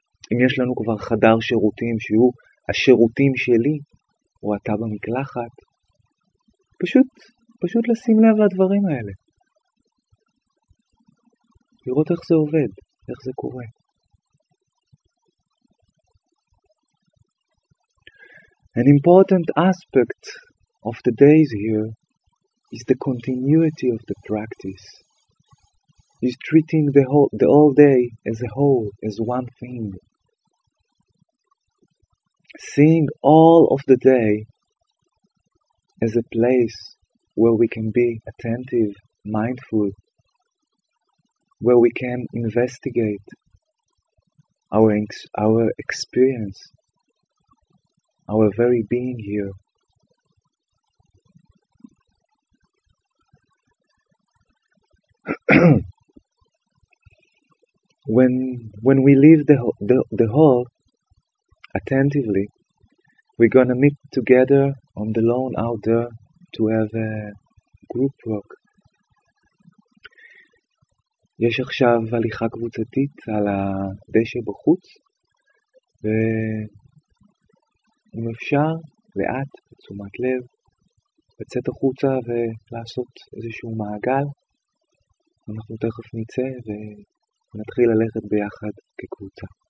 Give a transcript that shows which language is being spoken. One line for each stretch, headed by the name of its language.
Hebrew: אם יש לנו כבר חדר שירותים שהוא השירותים שלי, או אתה במקלחת? פשוט לשים לב לדברים האלה. לראות איך זה עובד, איך זה קורה.
English: An important aspect of the days here is the continuity of the practice. Is treating the whole day as a whole, as one thing. Seeing all of the day as a place where we can be attentive, mindful, where we can investigate our experience, our very being here. when we leave the hall attentively, we're going to meet together on the lawn out there to have a group walk.
Hebrew: יש עכשיו הליכה קבוצתית על הדשא בחוץ, ואם אפשר, לאט, בתשומת לב, לצאת החוצה ולעשות איזשהו מעגל, אנחנו תכף נצא ונתחיל ללכת ביחד כקבוצה.